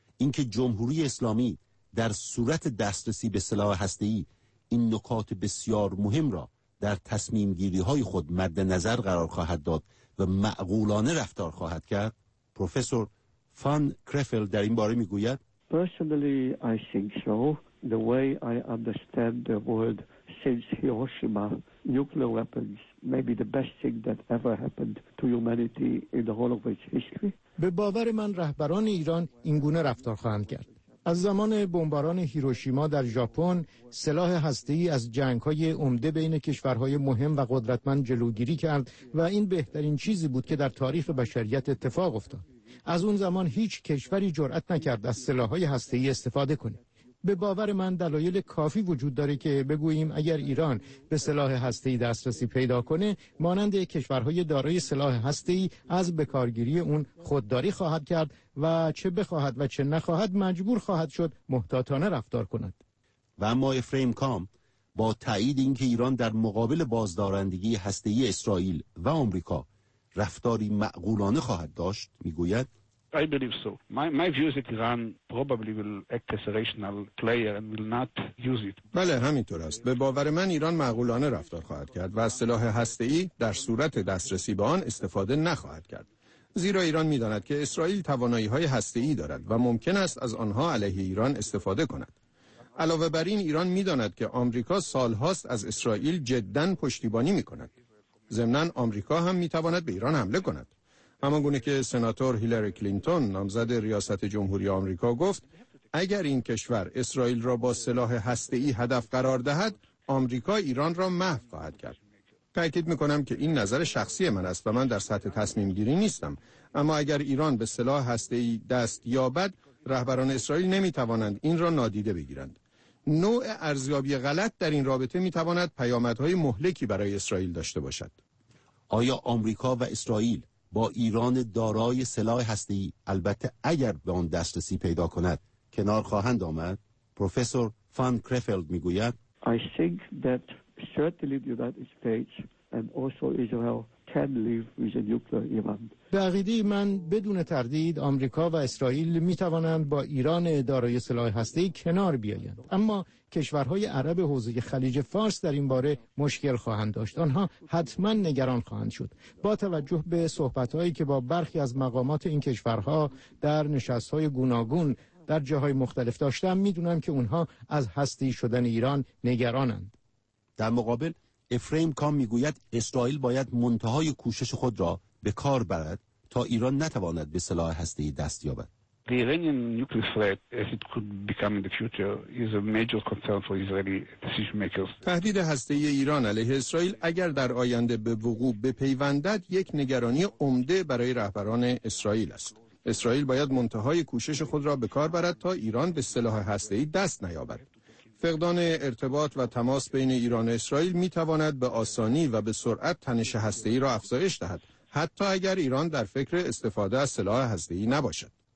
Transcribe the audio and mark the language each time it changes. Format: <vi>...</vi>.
<fa>اینکه جمهوری اسلامی در صورت دسترسی به سلاح هسته‌ای این نکات بسیار مهم را در تصمیم گیری های خود مد نظر قرار خواهد داد و معقولانه رفتار خواهد کرد، پروفسور فان کرفل در این باره می گوید</fa> <en>Personally, I think so. The way I understand the world since Hiroshima, nuclear weapons may be the best thing that ever happened to humanity in the whole of its history.</en> <fa>به باور من رهبران ایران این گونه رفتار خواهند کرد. از زمان بمباران هیروشیما در ژاپن، سلاح هسته‌ای از جنگ‌های عمده بین کشورهای مهم و قدرتمند جلوگیری کرد و این بهترین چیزی بود که در تاریخ بشریت اتفاق افتاد. از اون زمان هیچ کشوری جرأت نکرد از سلاح‌های هسته‌ای استفاده کنه. به باور من دلایل کافی وجود داره که بگوییم اگر ایران به سلاح هسته‌ای دسترسی پیدا کنه، مانند کشورهای دارای سلاح هسته‌ای از بکارگیری اون خودداری خواهد کرد و چه بخواهد و چه نخواهد مجبور خواهد شد محتاطانه رفتار کند. و اما افریم کام با تایید اینکه ایران در مقابل بازدارندگی هسته‌ای اسرائیل و آمریکا رفتاری معقولانه خواهد داشت میگوید</fa> <en>I believe so. My view is that Iran probably will act as a rational player and will not use it.</en> <fa>بله همینطور است. به باور من ایران معقولانه رفتار خواهد کرد و از سلاح هسته‌ای در صورت دسترسی به آن استفاده نخواهد کرد. زیرا ایران می‌داند که اسرائیل توانایی‌های هسته‌ای دارد و ممکن است از آنها علیه ایران استفاده کند. علاوه بر این ایران می‌داند که آمریکا سال‌هاست از اسرائیل جداً پشتیبانی می‌کند. ضمناً آمریکا هم می‌تواند به ایران حمله کند. همان گونه که سناتور هیلری کلینتون نامزد ریاست جمهوری آمریکا گفت اگر این کشور اسرائیل را با سلاح هسته‌ای هدف قرار دهد آمریکا ایران را محو خواهد کرد. تأکید میکنم که این نظر شخصی من است و من در سطح تصمیم گیری نیستم. اما اگر ایران به سلاح هسته‌ای دست یابد، رهبران اسرائیل نمیتوانند این را نادیده بگیرند. نوع ارزیابی غلط در این رابطه میتواند پیامدهای مهلکی برای اسرائیل داشته باشد. آیا آمریکا و اسرائیل با ایران دارای سلاح هسته‌ای، البته اگر به آن دسترسی پیدا کند، کنار خواهند آمد؟ پروفسور فان کرفلد میگوید:</fa> <en>I think that certainly the United States and also Israel can live with a nuclear Iran.</en> <fa>به عقیده من بدون تردید آمریکا و اسرائیل می توانند با ایران دارای سلاح هسته‌ای کنار بیایند. اما کشورهای عرب حوزه خلیج فارس در این باره مشکل خواهند داشت. آنها حتما نگران خواهند شد. با توجه به صحبت‌هایی که با برخی از مقامات این کشورها در نشست‌های گوناگون در جاهای مختلف داشتم، می دونم که اونها از هستی شدن ایران نگرانند. در مقابل افریم کام می گوید اسرائیل باید منتهای کوشش خود را به کار برد تا ایران نتواند به سلاح هستی دست یابد.</fa> <en>The Iranian nuclear threat, as it could become in the future, is a major concern for Israeli decision makers.</en> <fa>تهدید هسته‌ای ایران علیه اسرائیل اگر در آینده به وقوع بپیوندد یک نگرانی عمده برای رهبران اسرائیل است. اسرائیل باید منتهای کوشش خود را به کار برد تا ایران به سلاح هسته‌ای دست نیابد. فقدان ارتباط و تماس بین ایران و اسرائیل می تواند به آسانی و به سرعت تنش هسته‌ای را افزایش دهد، حتی اگر ایران در فکر استفاده از سلاح هسته‌ای نباشد.</fa>